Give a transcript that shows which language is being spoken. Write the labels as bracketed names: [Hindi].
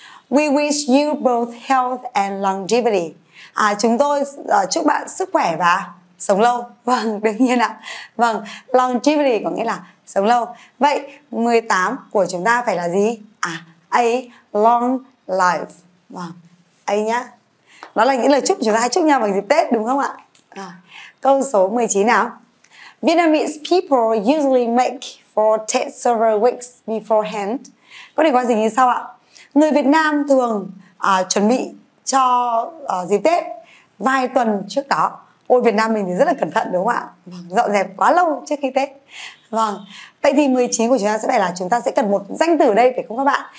[English] We wish you both health and longevity. [Vietnamese] Chúng tôi chúc bạn sức khỏe và sống lâu. Vâng, đương nhiên ạ. Vâng, longevity có nghĩa là sống lâu. Vậy 18 của chúng ta phải là gì? A long life. Vâng, A nhá. Đó là những lời chúc chúng ta hay chúc nhau bằng dịp Tết đúng không ạ? Câu số 19 nào. [English] Vietnamese people usually make for Tết several weeks beforehand. [Vietnamese] Câu này có gì như sau ạ? Người Việt Nam thường chuẩn bị cho dịp Tết vài tuần trước đó. Ôi, Việt Nam mình thì rất là cẩn thận đúng không ạ? Dọn dẹp quá lâu trước khi Tết. Vâng, vậy thì 19 của chúng ta sẽ phải là chúng ta sẽ cần một danh từ ở đây phải không các bạn?